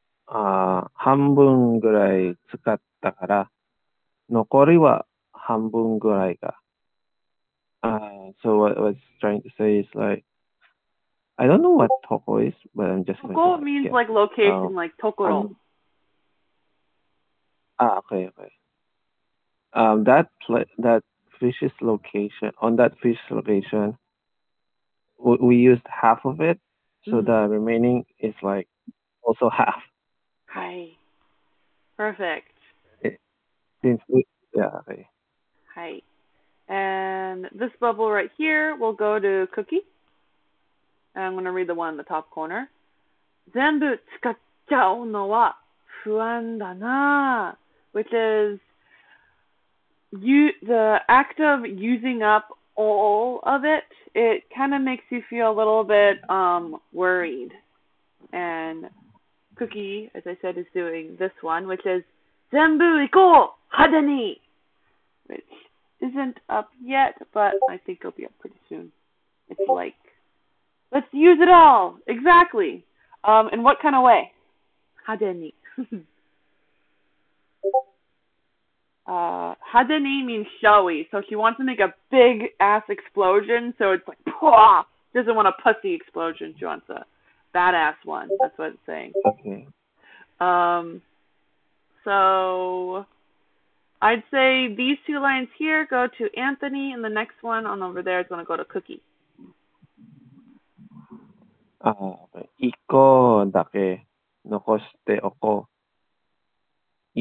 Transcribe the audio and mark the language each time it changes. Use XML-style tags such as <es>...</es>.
<ja>Ah, 半分ぐらい使ったから、残りは半分ぐらいが。</ja> <en>So what I was trying to say is like, I don't know what toko is, but I'm just toko going to guess. Means like location, like tokoro. Okay. That fish's location, on that fish's location, we used half of it, so mm-hmm. the remaining is like also half. Hi. Perfect. Hi. And this bubble right here will go to Cookie. And I'm going to read the one in the top corner.</en> <ja>全部使っちゃうのは不安だな。</ja> <en>Which is the act of using up all of it, it kind of makes you feel a little bit worried. And Cookie, as I said, is doing this one, which is</en> <ja>全部行こう派手に!</ja> <en>Which isn't up yet, but I think it'll be up pretty soon. It's like, let's use it all! Exactly! In what kind of way? 派手に. 派手に means showy, so she wants to make a big-ass explosion, so it's like, pwah! Doesn't want a pussy explosion, she wants a badass one. That's what it's saying. Okay. So, I'd say these two lines here go to Anthony, and the next one on over there is going to go to Cookie.</en> <ja>あ、1個だけ残しておこう。</ja>